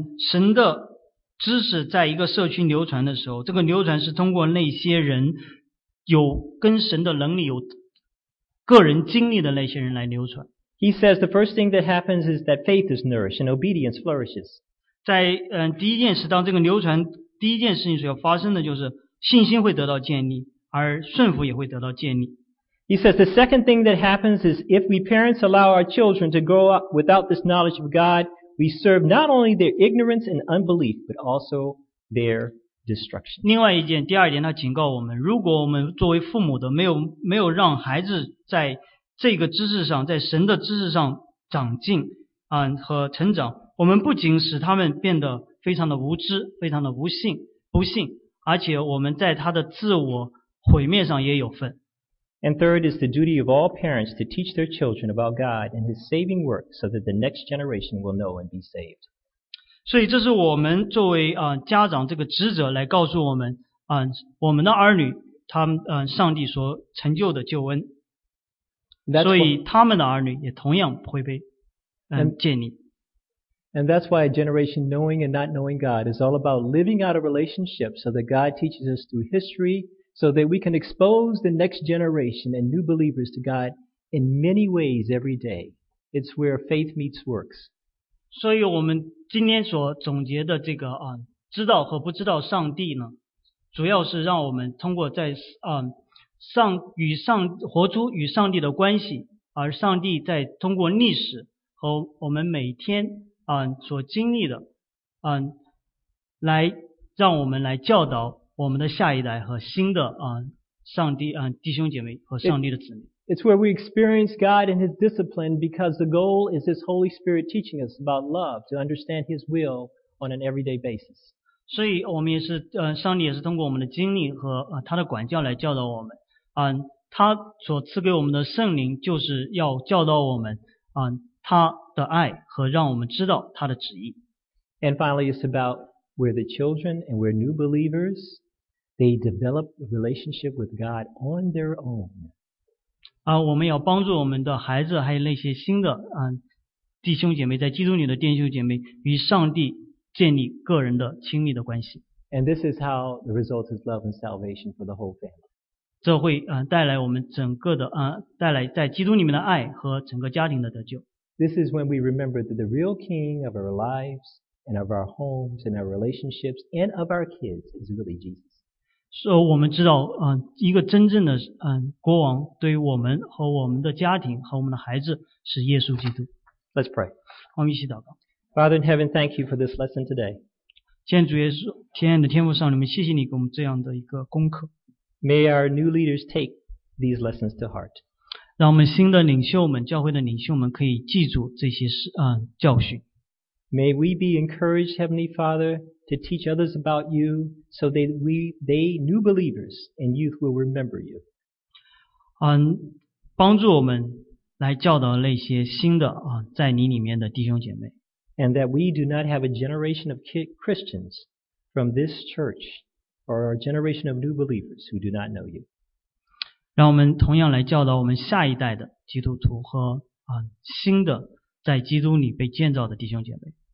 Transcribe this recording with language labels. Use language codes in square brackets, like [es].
[zh] 神的知识在一个社区流传的时候，这个流传是通过那些人有跟神的能力有个人经历的那些人来流传。 [en] He says, the first thing that happens is that faith is nourished and obedience flourishes. [zh] 在第一件事，当这个流传第一件事情所要发生的就是信心会得到建立。而顺服也会得到建立。 [en] He says the second thing that happens is if we parents allow our children to grow up without this knowledge of God, we serve not only their ignorance and unbelief, but also their destruction. [zh] 另外一件，第二点，他警告我们，如果我们作为父母的没有让孩子在这个知识上，在神的知识上长进和成长，我们不仅使他们变得非常的无知，非常的不幸，而且我们在他的自我毁灭上也有份。 [en] And third is the duty of all parents to teach their children about God and His saving work so that the next generation will know and be saved. [zh] 所以这是我们作为家长这个职责来告诉我们我们的儿女他们上帝所成就的救恩。 [en] That's [zh] 所以他们的儿女也同样会被建立。 [en] And that's why a generation knowing and not knowing God is all about living out a relationship so that God teaches us through history. So that we can expose the next generation and new believers to God in many ways every day. It's where faith meets works. [zh] 所以我们今天所总结的这个知道和不知道上帝呢，主要是让我们通过在活出与上帝的关系，而上帝在通过历史和我们每天所经历的来让我们来教导我们的下一代和新的上帝弟兄姐妹和上帝的子民。 [en] It's where we experience God and His discipline because the goal is His Holy Spirit teaching us about love to understand His will on an everyday basis. [zh] 所以我们也是上帝也是通过我们的经历和他的管教来教导我们。他所赐给我们的圣灵就是要教导我们他的爱和让我们知道他的旨意。 [en] And finally, it's about where the children and where new believers, they develop a relationship with God on their own. [zh] 我们要帮助我们的孩子还有那些新的弟兄姐妹，在基督里的弟兄姐妹与上帝建立个人的亲密的关系。 [en] And this is how the result is love and salvation for the whole family. [zh] 这会带来我们整个的带来在基督里面的爱和整个家庭的得救。 [en] This is when we remember that the real king of our lives and of our homes and our relationships and of our kids is really Jesus. [zh] 所以我们知道一个真正的国王对于我们和我们的家庭和我们的孩子是耶稣基督。 [en] Let's pray. [zh] 我们一起祷告。 [en] Father in heaven, thank you for this lesson today. [zh] 天主耶稣，天的天父上，你们谢谢你给我们这样的一个功课。 [en] May our new leaders take these lessons to heart. [zh] 让我们新的领袖们，教会的领袖们可以记住这些教训。 [en] May we be encouraged, Heavenly Father, to teach others about you so that they new believers and youth will remember you. [zh] 帮助我们来教导那些新的在你里面的弟兄姐妹。 [en] And that we do not have a generation of Christians from this church or a generation of new believers who do not know you. [zh] 让我们同样来教导我们下一代的基督徒和新的在基督里被建造的弟兄姐妹。